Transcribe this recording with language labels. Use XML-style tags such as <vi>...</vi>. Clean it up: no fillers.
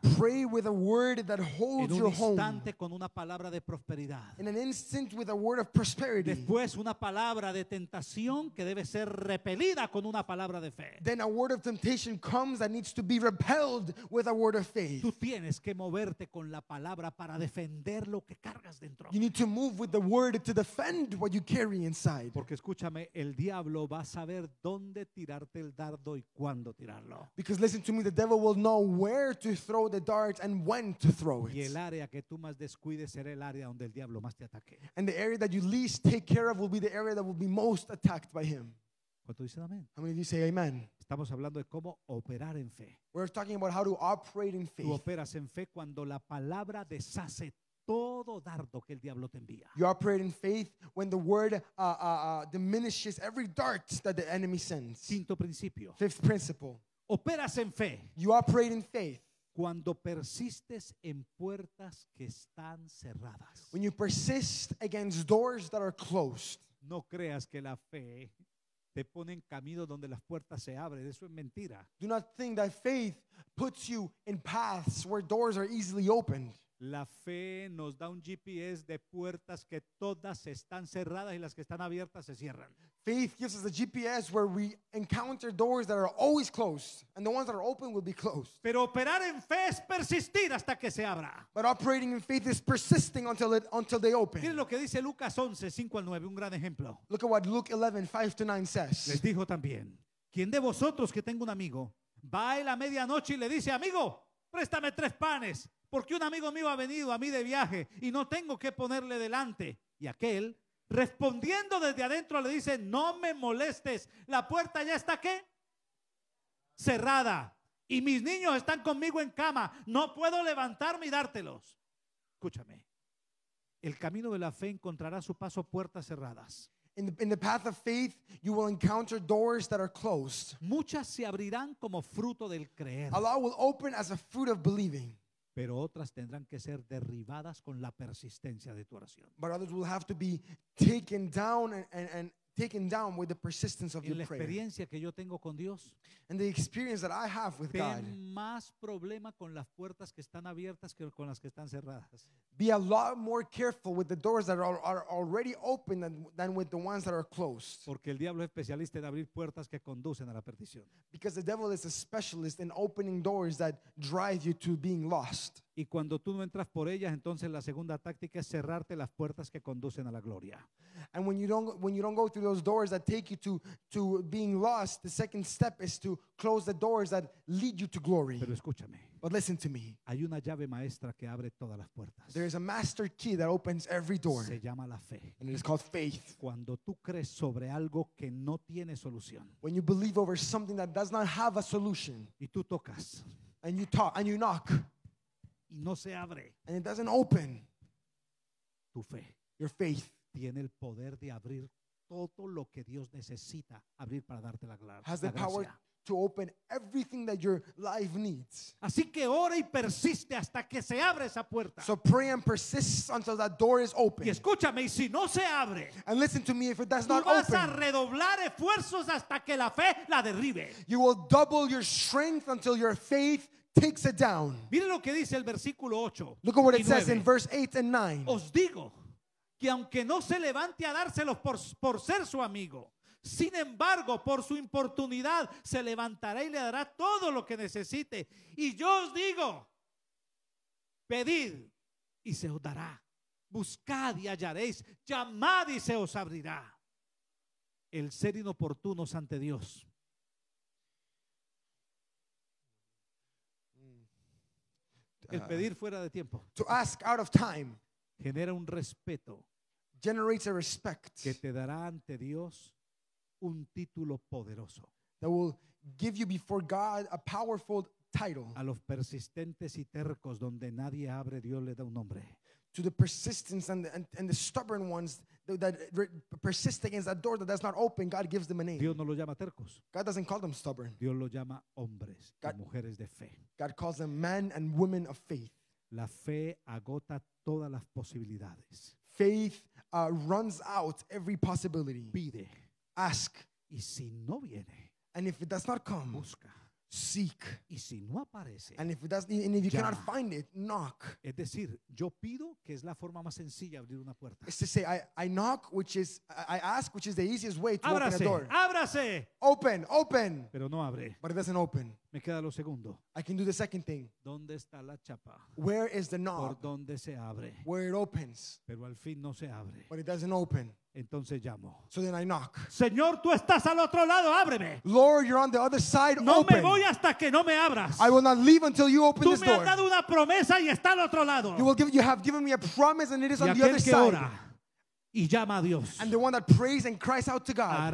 <en>Pray with a word that holds your home.</en> <es>En un instante con una palabra de prosperidad.</es> <en>In an instant with a word of prosperity.</en> <es>Después una palabra de tentación que debe ser repelida con una palabra de fe.</es> <en>Then a word of temptation comes that needs to be repelled with a word of faith.</en> <es>Tú tienes que moverte con la palabra para defender lo que cargas dentro.</es> <en>You need to move with the word to defend what you carry inside.</en> <es>Porque escúchame, el diablo va a saber dónde tirarte el dardo y cuándo tirarlo.</es> <en>Because listen to me, the devil will know where to throw the dart and when to throw it.</en> <es>Y el área que tú más descuides será el área donde el diablo más te ataque.</es> <en>And the area that you least take care of will be the area that will be most attacked by him.</en> <es>¿Cuánto dicen amén?</es> <en>How many of you say amen?</en> <es>Estamos hablando de cómo operar en fe.</es> <en>We're talking about how to operate in faith.</en> <es>Tú operas en fe cuando la palabra deshace todo dardo que el diablo te envía.</es> <en>You operate in faith when the word diminishes every dart that the enemy sends.</en> <es>Quinto principio.</es> <en>Fifth principle.</en> <es>Operas en fe.</es> <en>You operate in faith.</en> <es>Cuando persistes en puertas que están cerradas.</es> <en>When you persist against doors that are closed.</en> <es>No creas que la fe te pone en camino donde las puertas se abren. Eso es mentira.</es> <en>Do not think that faith puts you in paths where doors are easily opened.</en> <es>La fe nos da un GPS de puertas que todas están cerradas y las que están abiertas se cierran.</es> <en>Faith gives us a GPS where we encounter doors that are always closed and the ones that are open will be closed.</en> <es>Pero operar en fe es persistir hasta que se abra.</es> <en>But operating in faith is persisting until they open.</en> <es>Miren lo que dice Lucas 11, 5 al 9, un gran ejemplo.</es> <en>Look at what Luke 11, 5 to 9 says.</en> <es>Les dijo también, ¿quién de vosotros que tenga un amigo va a la medianoche y le dice, amigo, préstame tres panes? Porque un amigo mío ha venido a mí de viaje y no tengo que ponerle delante. Y aquel, respondiendo desde adentro, le dice, no me molestes, la puerta ya está, ¿qué? Cerrada. Y mis niños están conmigo en cama, no puedo levantarme y dártelos. Escúchame, el camino de la fe encontrará su paso puertas cerradas.</es> <en>In the path of faith, you will encounter doors that are closed.</en> <es>Muchas se abrirán como fruto del creer.</es> <en>A lot will open as a fruit of believing.</en> <es>Pero otras tendrán que ser derribadas con la persistencia de tu oración.</es> <en>But others will have to be taken down and taken down with the persistence of your prayer.</en> <es>La experiencia que yo tengo con Dios.</es> <en>And the experience that I have with God.</en> <es>Ten más problema con las puertas que están abiertas que con las que están cerradas.</es> <en>Be a lot more careful with the doors that are already open than with the ones that are closed.</en> <es>Porque el diablo es especialista en abrir puertas que conducen a la perdición.</es> <en>Because the devil is a specialist in opening doors that drive you to being lost.</en> <es>Y cuando tú no entras por ellas, entonces la segunda táctica es cerrarte las puertas que conducen a la gloria.</es> <en>And when you don't go through those doors that take you to being lost, the second step is to close the doors that lead you to glory.</en> <es>Pero escúchame.</es> <en>But listen to me.</en> <es>Hay una llave maestra que abre todas las puertas.</es> <en>There is a master key that opens every door.</en> <es>Se llama la fe.</es> <en>And it is called faith.</en> <es>Cuando tú crees sobre algo que no tiene solución.</es> <en>When you believe over something that does not have a solution.</en> <es>Y tú tocas.</es> <en>And you talk and you knock.</en> <es>Y no se abre.</es> <en>And it doesn't open.</en> <es>Tu fe.</es> <en>Your faith.</en> <es>Tiene el poder de abrir todo lo que Dios necesita abrir para darte la gracia.</es> <en>Has the power to open everything that your life needs.</en> <es>Así que ora y persiste hasta que se abre esa puerta.</es> <en>So pray and persist until that door is open. Y escúchame, y si no se abre, and listen to me, if it does not open,</en> <es>vas a redoblar esfuerzos hasta que la fe la derribe.</es> <en>You will double your strength until your faith takes it down.</en> <es>Mire lo que dice el versículo 8.</es> <en>Look at what it says in verse 8 and 9.</en> <es>Os digo que aunque no se levante a dárselos por ser su amigo, sin embargo, por su importunidad, se levantará y le dará todo lo que necesite. Y yo os digo, pedid y se os dará. Buscad y hallaréis. Llamad y se os abrirá. El ser inoportunos ante Dios. El pedir fuera de tiempo.</es> <en>To ask out of time.</en> <es>Genera un respeto.</es> <en>Generates a respect</en> <es>que te dará ante Dios un título poderoso.</es> <en>That will give you before God a powerful title.</en> <es>A los persistentes y tercos donde nadie abre, Dios le da un nombre.</es> <en>To the persistents and the stubborn ones that persist against that door that does not open, God gives them a name.</en> <es>Dios no los llama tercos.</es> <en>God doesn't call them stubborn.</en> <es>Dios los llama hombres y mujeres de fe.</es> <en>God calls them men and women of faith.</en> <es>La fe agota todas las posibilidades.</es> <en>Faith runs out every possibility.</en> <es>Pide.</es> <en>Ask.</en> <es>Y si no viene,</es> <en>and if it does not come,</en> <es>busca.</es> <en>Seek.</en> <es>Y si no aparece,</es> <en>and if it does, and if you</en> <es>llama.</es> <en>Cannot find it, knock.</en> <es>Es decir, yo pido, que es la forma más sencilla de abrir una puerta.</es> <en>It's to say, I knock, which is I ask, which is the easiest way to</en> <es>ábrase,</es> <en>open a door.</en> <es>Ábrase.</es> <en>Open, open.</en> <es>Pero no abre.</es> <en>But it doesn't open.</en> <es>Me queda lo segundo.</es> <en>I can do the second thing.</en> <es>¿Dónde está la chapa?</es> <en>Where is the knock?</en> <es>Por dónde se abre.</es> <en>Where it opens.</en> <es>Pero al fin no se abre.</es> <en>But it doesn't open.</en> <es>Entonces llamo.</es> <en>So then I knock.</en> <es>Señor, tú estás al otro lado, ábreme.</es> <en>Lord, you're on the other side,</en> <es>no</es> <en>open.</en> <es>No me voy hasta que no me abras.</es> <en>I will not leave until you open</en> <es>tú</es> <en>this door.</en> <es>Tú me has dado una promesa y está al otro lado.</es> <en>You have given me a promise and it is</en> <es>y</es> <en>on the other side.</en> <es>Ora y llama a Dios.</es> <en>And the one that prays and cries out to God</en>